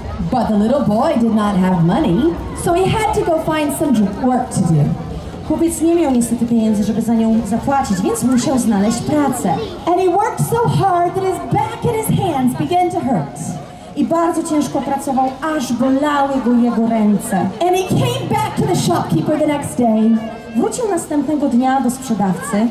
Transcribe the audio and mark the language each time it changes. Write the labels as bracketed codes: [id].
[en] But the little boy did not have money, so he had to go find some work to do. [pl] Chłopiec nie miał niestety pieniędzy, żeby za nią zapłacić, więc musiał znaleźć pracę. [en] And he worked so hard that his back and his hands began to hurt. [pl] I bardzo ciężko pracował, aż bolały go jego ręce. [en] And he came back to the shopkeeper the next day. [pl] Wrócił następnego dnia do sprzedawcy.